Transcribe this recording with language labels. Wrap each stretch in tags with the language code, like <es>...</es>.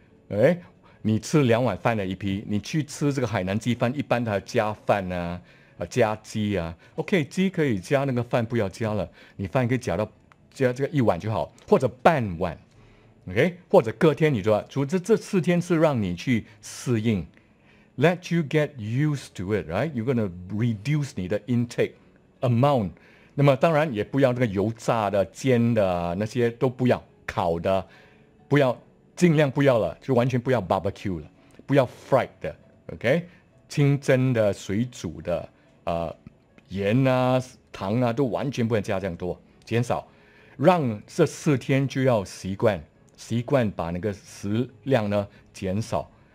<zh>哎，你吃2碗饭的一批，你去吃这个海南鸡饭，一般它加饭啊，加鸡啊 ，OK， 鸡可以加，那个饭不要加了，你饭可以加这个一碗就好，或者半碗 ，OK， 或者隔天你说，除了这4天是让你去适应。</zh> <en>Let you get used to it, right? You're going to reduce</en> <zh>你的</zh> <en>intake amount.</en> <zh>那么当然也不要这个油炸的、煎的那些都不要，烤的不要，尽量不要了，就完全不要 barbecue 了，不要 fried 的 ，OK? 清蒸的、水煮的，盐啊、糖啊都完全不能加这样多，减少，让这4天就要习惯把那个食量呢减少。</zh>